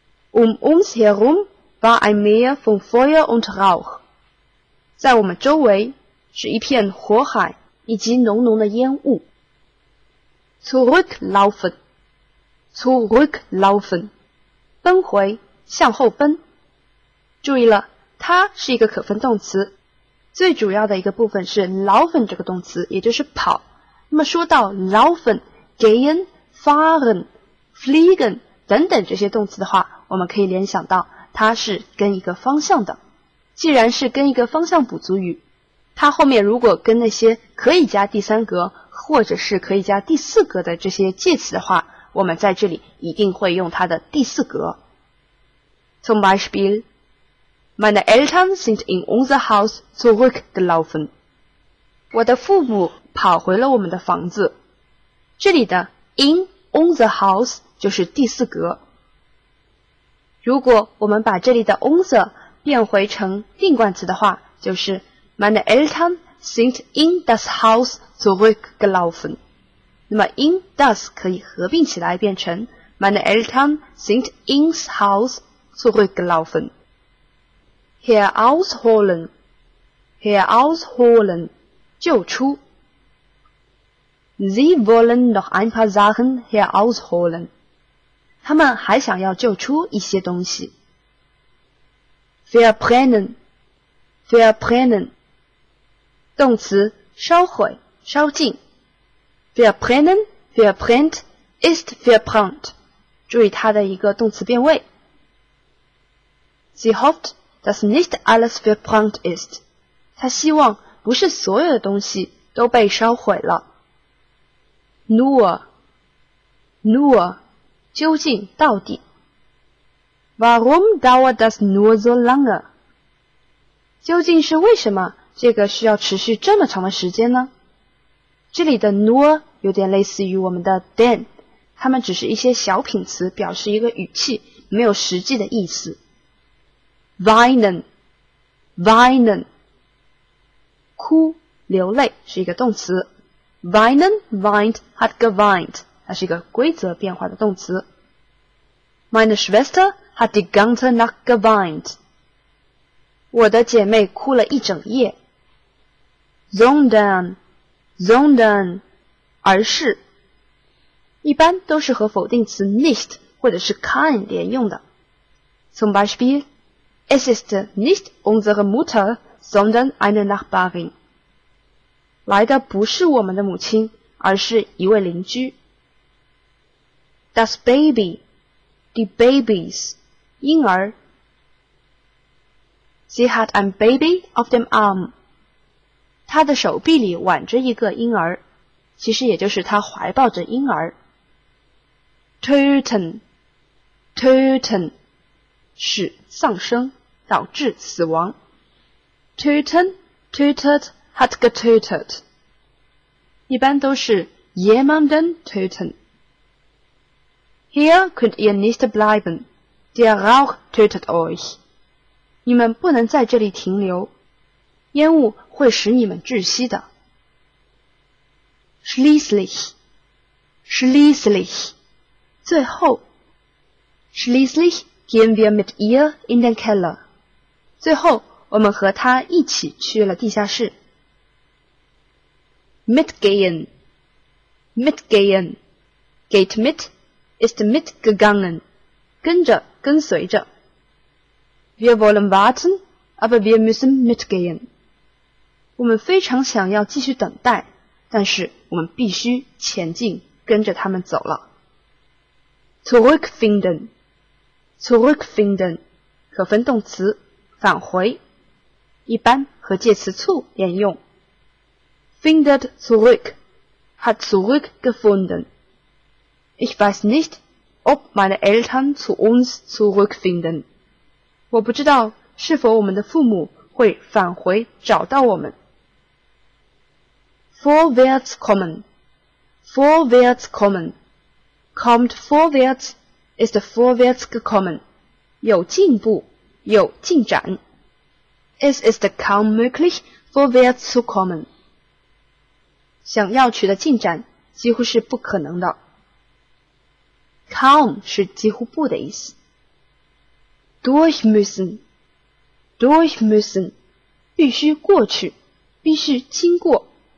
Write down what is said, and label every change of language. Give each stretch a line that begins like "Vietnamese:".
German: Um uns herum war ein Meer von Feuer und Rauch.
Chinese: 在我们周围是一片火海以及浓浓的烟雾。
German: Zurücklaufen. Zurücklaufen.
Chinese: 奔回，向后奔。注意了，它是一个可分动词，最主要的一个部分是 laufen 这个动词，也就是跑。那么说到 laufen、gehen、fahren、fliegen 等等这些动词的话，我们可以联想到它是跟一个方向的。既然是跟一个方向补足语，它后面如果跟那些可以加第三格或者是可以加第四格的这些介词的话，我们在这里一定会用它的第四格。
German: Zum Beispiel, meine Eltern sind in unser Haus zurückgelaufen.
Chinese: 我的父母跑回了我们的房子。这里的
German: in unser Haus
Chinese: 就是第四格。如果我们把这里的 unser 变回成定冠词的话，就是
German: meine Eltern sind in das Haus zurückgelaufen.
Chinese: 那么
German: in das
Chinese: 可以合并起来变成
German: meine Eltern sind ins Haus zurückgelaufen. Herausholen, herausholen,
Chinese: 救出。
German: Sie wollen noch ein paar Sachen herausholen.
Chinese: 他们还想要救出一些东西。
German: Verbrennen, verbrennen,
Chinese: 动词烧毁、烧尽。
German: Verbrennen, verbrennt, ist verbrannt.
Chinese: 注意它的一个动词变位。
German: Sie hofft, dass nicht alles verbrannt ist.
Chinese: 她希望不是所有的东西都被烧毁了。
German: Nur, nur,
Chinese: 究竟到底。
German: Warum dauert das nur so lange?
Chinese: 究竟是为什么这个需要持续这么长的时间呢？这里的 nur 有点类似于我们的 then， 它们只是一些小品词，表示一个语气，没有实际的意思。
German: Weinen, weinen，
Chinese: 哭，流泪是一个动词。
German: Weinen, weint, hat geweint，
Chinese: 它是一个规则变化的动词。
German: Meine Schwester hat die ganze Nacht geweint，
Chinese: 我的姐妹哭了一整夜。
German: Sondern。 Sondern,
Chinese: 而是，一般都是和否定词 nicht 或者是 kein 连用的。
German: Zum Beispiel, es ist nicht unsere Mutter, sondern eine Nachbarin.
Chinese: 来的不是我们的母亲，而是一位邻居。
German: Das Baby, die Babies,
Chinese: 婴儿。
German: Sie hat ein Baby auf dem Arm.
Chinese: 她的手臂里挽着一个婴儿，其实也就是她怀抱着婴儿。
German: Töten, töten,
Chinese: 是丧生，导致死亡。
German: Töten, tötet, hat getötet.
Chinese: 一般都是
German: jemanden töten. Hier könnt ihr nicht bleiben. Der Rauch tötet euch.
Chinese: 你们不能在这里停留。烟雾会使你们窒息的。
German: Schließlich, schließlich,
Chinese: 最后。
German: Schließlich gehen wir mit ihr in den Keller.
Chinese: 最后我们和他一起去了地下室。
German: Mitgehen, mitgehen, geht mit, ist mitgegangen,
Chinese: 跟着跟随着。
German: Wir wollen warten, aber wir müssen mitgehen.
Chinese: 我们非常想要继续等待，但是我们必须前进，跟着他们走了。
German: Zurückfinden, zurückfinden,
Chinese: 可分动词，返回，一般和介词 zu 连用。
German: Findet zurück, hat zurückgefunden. Ich weiß nicht, ob meine Eltern zu uns zurückfinden.
Chinese: 我不知道是否我们的父母会返回找到我们。
German: Vorwärts kommen, vorwärts kommen, kommt vorwärts, ist vorwärts gekommen.
Chinese: 有进步，有进展。
German: Es ist kaum möglich, vorwärts zu kommen.
Chinese: 想要取得进展几乎是不可能的。 Kaum 是几乎不的意思。
German: Durch müssen,
Chinese: 必须过去，必须经过。